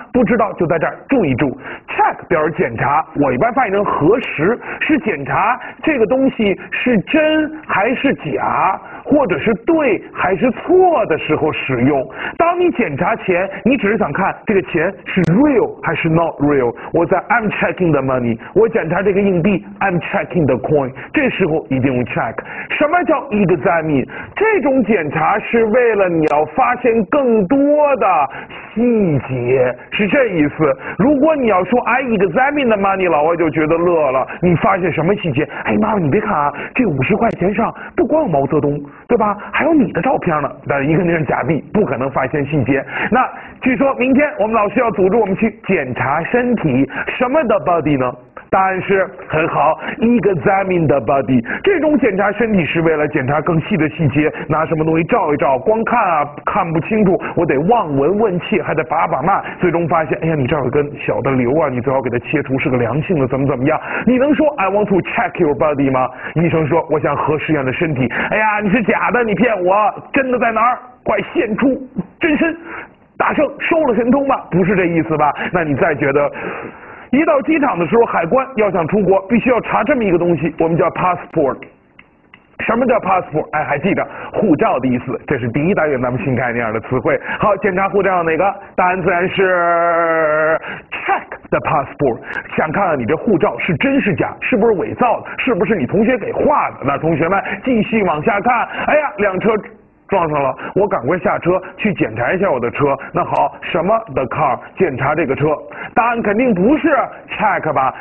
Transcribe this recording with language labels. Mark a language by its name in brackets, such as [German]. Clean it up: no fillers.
[Chinese] 不知道就在这儿注意住。check 表示检查，我一般翻译成核实，是检查这个东西是真还是假，或者是对还是错的时候使用。当你检查钱，你只是想看这个钱是 real 还是 [English] not real。 [Chinese] 我在 [English] I'm checking the money， [Chinese] 我检查这个硬币 [English] I'm checking the coin， [Chinese] 这时候一定用 check。什么叫 examine？ 这种检查是为了你要发现更多的细节，是这意思。如果你要说 [English] I examine the money， [Chinese] 老外就觉得乐了，你发现什么细节？哎，妈妈你别看啊，这50块钱上不光有毛泽东，对吧？还有你的照片呢，但一个那是假币，不可能发现细节。那据说明天我们老师要组织我们去检查身体，什么的 body 呢？答案是很好 ， [English] examine the body。 [Chinese] 这种检查身体是为了检查更细的细节，拿什么东西照一照，光看啊看不清楚，我得望闻问切，还得把把脉，最终发现，哎呀，你这儿有根小的瘤啊，你最好给它切除，是个良性的，怎么怎么样？你能说 [English] I want to check your body [Chinese] 吗？医生说我想核实一下你的身体。哎呀，你是假的，你骗我，真的在哪儿？快现出真身！大圣收了神通吧，不是这意思吧？那你再觉得，一到机场的时候，海关要想出国，必须要查这么一个东西，我们叫 passport。什么叫 passport？哎，还记得护照的意思，这是第一单元咱们新概念的词汇。好，检查护照哪个？答案自然是 [English] check the passport。 [Chinese] 想看看你这护照是真是假，是不是伪造的，是不是你同学给画的？那同学们继续往下看，哎呀，两车。撞上了，我赶快下车去检查一下我的车。那好，什么 [English] the car [Chinese] 检查这个车？答案肯定不是 check 吧？